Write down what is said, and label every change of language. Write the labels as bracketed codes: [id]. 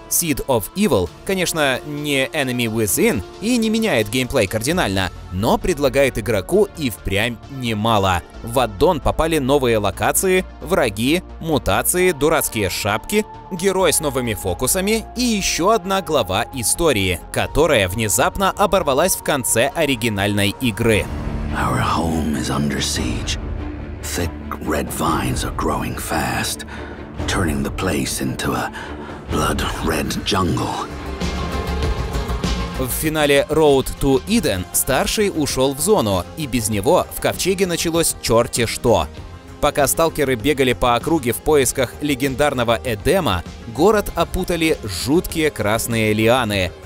[ru] Seed of Evil, конечно, не Enemy Within и не меняет геймплей кардинально, но предлагает игроку и впрямь немало. В аддон попали новые локации, враги, мутации, дурацкие шапки, герой с новыми фокусами и еще одна глава истории, которая внезапно оборвалась в конце оригинальной игры. [en] Our home is under siege. Thick red vines are growing fast, turning the place into a blood-red jungle. [ru] В финале Road to Eden старший ушел в зону, и без него в ковчеге началось черти что. Пока сталкеры бегали по округе в поисках легендарного Эдема, город опутали жуткие красные лианы.